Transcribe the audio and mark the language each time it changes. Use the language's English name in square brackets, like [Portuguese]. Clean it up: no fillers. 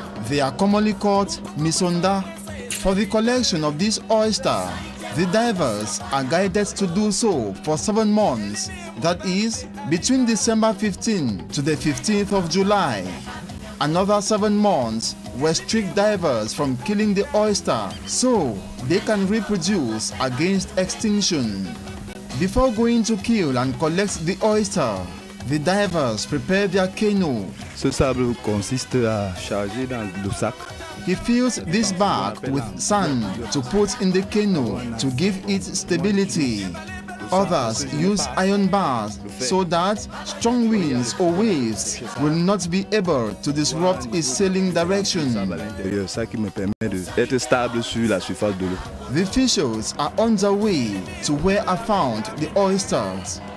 [English] They are commonly called misonda. For the collection of this oyster, the divers are guided to do so for 7 months, that is, between December 15 to the 15th of July. Another 7 months restrict divers from killing the oyster so they can reproduce against extinction. Before going to kill and collect the oyster, the divers prepare their canoe. [French] Ce sable consiste à charger dans le sac. [English] He fills this bag with sand to put in the canoe to give it stability. Others use iron bars so that strong winds or waves will not be able to disrupt its sailing direction. The fishers are on their way to where I found the oysters.